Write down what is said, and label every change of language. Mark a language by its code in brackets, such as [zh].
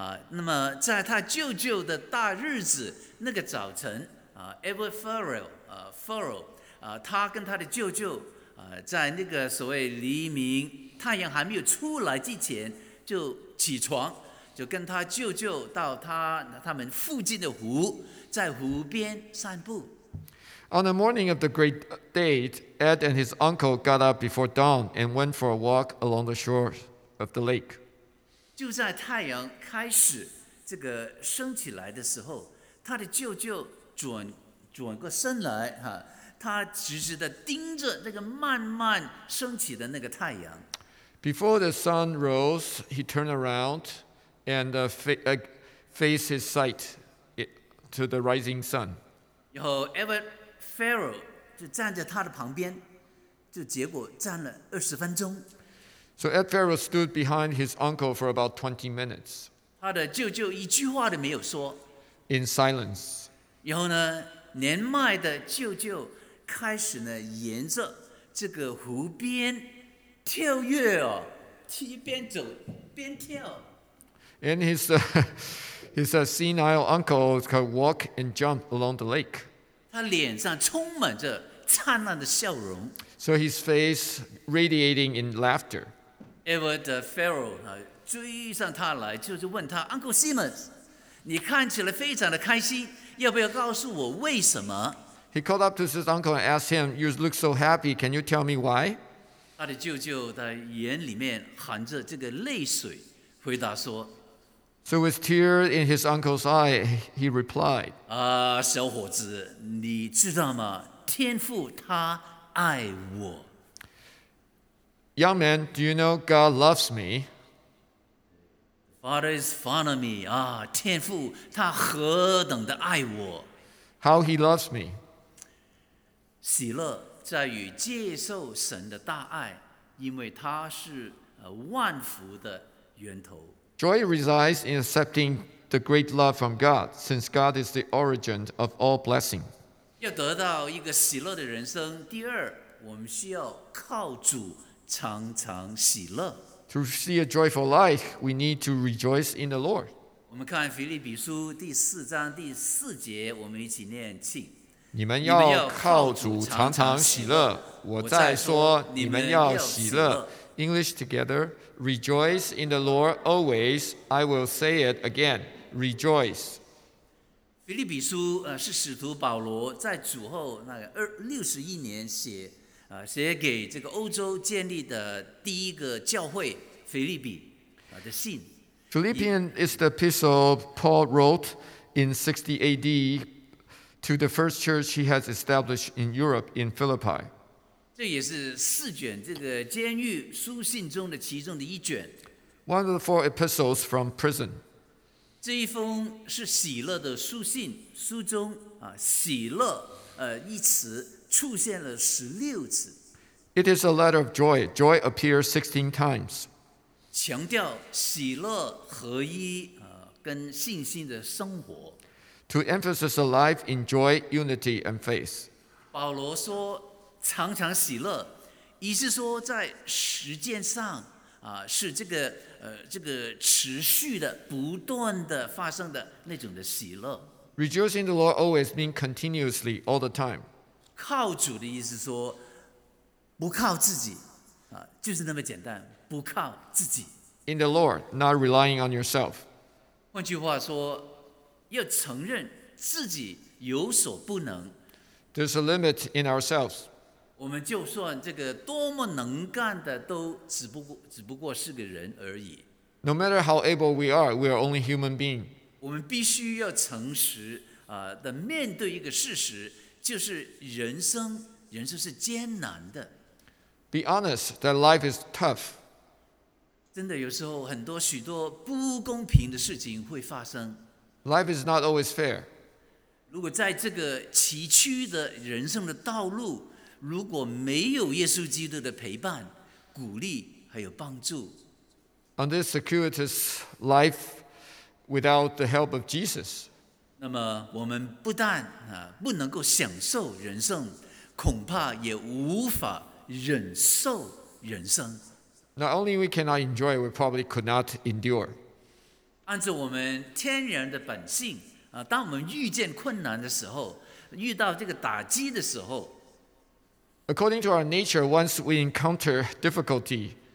[zh] 那么在他舅舅的大日子那个早晨，Edward Farrell 他跟他的舅舅在那个所谓黎明太阳还没有出来之前就起床，就跟他舅舅到他们附近的湖，在湖边散步。 [en] On the morning of the great day, Ed and his uncle got up before dawn and went for a walk along the shore of the lake. [zh] 就在太阳开始这个升起来的时候，他的舅舅转过身来，他直直的盯着那个慢慢升起的那个太阳。 [en] Before the sun rose, he turned around and faced his sight to the rising sun. [zh] 然后 Edward Farrell 就站在他的旁边，就结果站了二十分钟。 [en] So Ed Farrell stood behind his uncle for about 20 minutes. [zh] 他的舅舅一句话都没有说。 [en] In silence. [zh] 然后呢，年迈的舅舅开始呢，沿着这个湖边跳跃哦，边走边跳。 [en] And his senile uncle could walk and jump along the lake. [zh] 他脸上充满着灿烂的笑容。 [en] So his face radiating in laughter. [zh] Edward Farrell 追上他来，就是问他 Uncle Simmons， 你看起来非常的开心，要不要告诉我为什么？ [en] He called up to his uncle and asked him, "You look so happy. Can you tell me why?" [zh] 他的舅舅的眼里面含着这个泪水，回答说。 [en] So with tears in his uncle's eye, he replied, [zh] 小伙子，你知道吗？天父他爱我。 [en] Young man, do you know God loves me? Father is fond of me. [zh] 天父他何等的爱我。 [en] How he loves me. [zh] 喜乐在于接受神的大爱，因为他是万福的源头。 [en] Joy resides in accepting the great love from God, since God is the origin of all blessing. [zh] 要得到一个喜乐的人生，第二，我们需要靠主常常喜乐。 [en] To see a joyful life, we need to rejoice in the Lord. [zh] 我们看腓立比书第四章第四节，我们一起念，请。你们要靠主常常喜乐，我再说你们要喜乐。 [en] English together, rejoice in the Lord always. I will say it again, rejoice. [zh] 腓立比书是使徒保罗在主后那个61年写给这个欧洲建立的第一个教会腓立比的信。 [en] Philippians is the epistle Paul wrote in 60 AD to the first church he has established in Europe in Philippi. [zh] 这也是四卷这个监狱书信中的其中的一卷。 [en] One of the four epistles from prison. [zh] 这一封是喜乐的书信，书中喜乐一词出现了16次。 [en] It is a letter of joy. Joy appears 16 times. [zh] 强调喜乐合一跟信心的生活。 [en] To emphasize a life in joy, unity, and faith. [zh] 保罗说常常喜乐，意思说在实践上是这个持续的、不断的发生的那种的喜乐。 [en] Rejoicing the Lord always means continuously, all the time. [zh] 靠主的意思说不靠自己就是那么简单。不靠自己。 [en] In the Lord, not relying on yourself. [zh] 换句话说，要承认自己有所不能。 [en] There's a limit in ourselves. [zh] 我们就算这个多么能干的，都只不过是个人而已。 [en] No matter how able we are only human being. [zh] 我们必须要诚实的面对一个事实，就是人生是艰难的。 [en] Be honest that life is tough. [zh] 真的有时候很多许多不公平的事情会发生。 [en] Life is not always fair. [zh] 如果在这个崎岖的人生的道路，如果没有耶稣基督的陪伴、鼓励还有帮助。 [en] On this circuitous life without the help of Jesus. [zh] 那么我们不但不能够享受人生，恐怕也无法忍受人生。 [en] Not only we cannot enjoy, we probably could not endure. [zh] 按照我们天然的本性，当我们遇见困难的时候，遇到这个打击的时候， [en] According to our nature, once we encounter difficulty,